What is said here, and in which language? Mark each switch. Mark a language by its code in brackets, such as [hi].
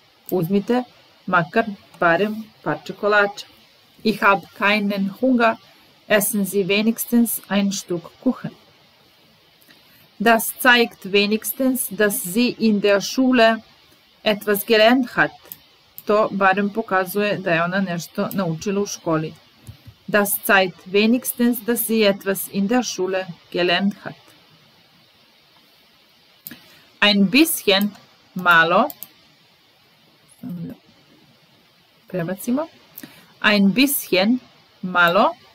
[sr] Uzmite, makar, barem, parče kolača. [de] Ich habe keinen Hunger. Essen Sie wenigstens ein Stück Kuchen. Das zeigt wenigstens, dass sie in der Schule etwas gelernt hat. [sr] To barem pokazuje da je ona nešto naučila u školi. [de] Das zeigt wenigstens, dass sie etwas in der Schule gelernt hat. Ein bisschen, [sr] malo. Prebacimo. [de] Ein bisschen, [sr] malo.